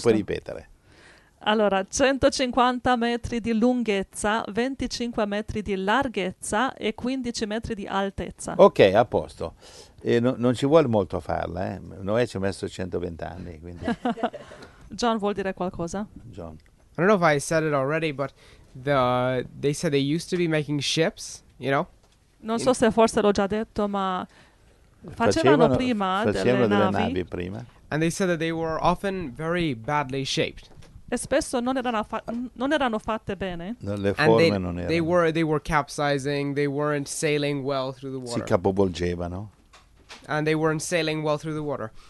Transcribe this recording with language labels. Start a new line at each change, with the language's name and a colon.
Italian: Puoi ripetere. Allora, 150 metri di lunghezza, 25 metri di larghezza e 15 metri di altezza. Ok, a posto. E non ci vuole molto a farla, Noè ci ha messo 120 anni, quindi... John, vuol dire qualcosa? John.
English: I don't know if I said it already, but they said they used to be making ships, you know?
Italian: Non so se forse l'ho già detto, ma facevano delle navi prima.
English: And they said that they were often very badly shaped.
Italian: E spesso non erano fatte bene. Le forme non erano.
English: They were capsizing, they weren't sailing well through the water.
Italian: Si capovolgevano.
English: And they weren't sailing well through the water.